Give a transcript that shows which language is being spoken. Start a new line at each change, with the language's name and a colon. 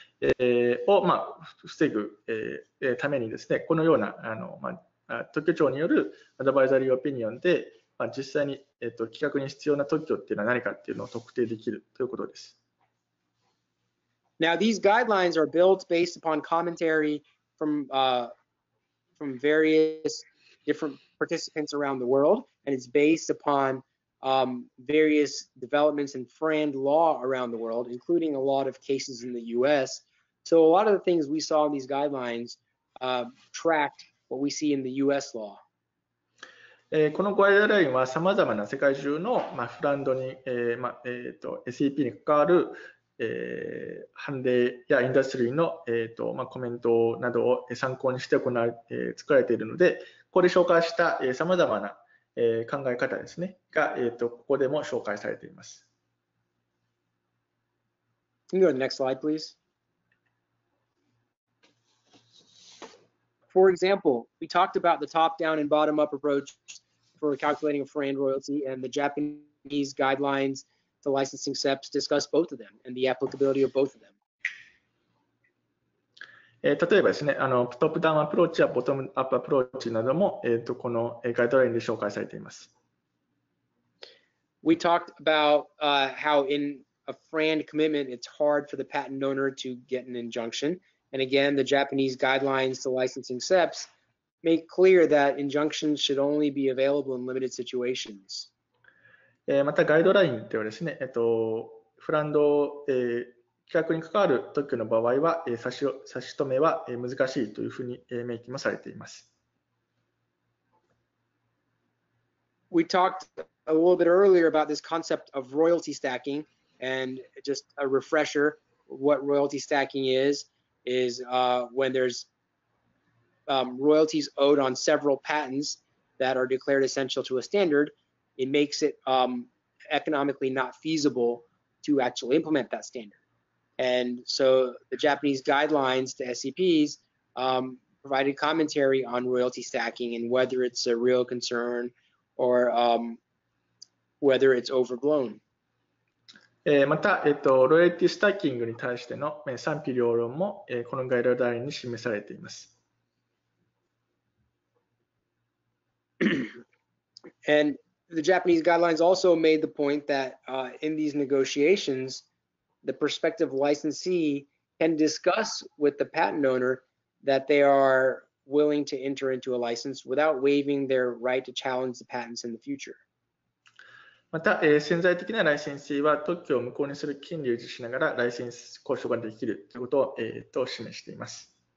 Japanese: を、まあ、防ぐ、ためにですね、このような特許庁によるアドバイザリーオピニオンで、まあ、実際に、企画に必要な特許っていうのは何かっていうのを特定できるということです。
English: Now, these guidelines are built based upon commentary from, from various different participants around the world, and it's based upon, various developments in FRAND law around the world, including a lot of cases in the US. So a lot of the things we saw in these guidelines, tracked what we see in the U.S. law.
Japanese: このガイドラインはさまざまな世界中のフランドに、SAP に関わる判例やインダストリーのコメントなどを参考にして行われ作られているので、ここで紹介したさまざまな考え方ですねが、ここでも紹介されています。
English: Can you go to the next slide, please? For example, we talked about the top-down and bottom-up approach for calculating a FRAND royalty, and the Japanese guidelines to licensing steps discuss both of them and the applicability of both of them.
Japanese: 例えばですね、トップダウンアプローチやボトムアップアプローチなども、このガイドラインで紹介されています。
English: We talked about how in a FRAND commitment, it's hard for the patent owner to get an injunction. And again, the Japanese guidelines to licensing steps make clear that injunctions should only be available in limited situations.
Japanese: またガイドラインではですね、フランド、規格に関わる特許の場合は、差し止めは難しいというふうに明記もされています。
English: We talked a little bit earlier about this concept of royalty stacking, and just a refresher, what royalty stacking is when there's royalties owed on several patents that are declared essential to a standard. It makes it economically not feasible to actually implement that standard. And so the Japanese guidelines to SCPs provided commentary on royalty stacking and whether it's a real concern or whether it's overblown.
Japanese: また、ロイヤリティスタッキングに対しての賛否両論も、このガイドラインに示されています。
English: And,The Japanese guidelines also made the point that in these negotiations, the prospective licensee can discuss with the patent owner that they are willing to enter into a license without waiving their right to challenge the patents in the future.
Japanese: また、潜在的なライセンシーは特許を無効にする権利を維持しながらライセンス交渉ができるということを、示しています。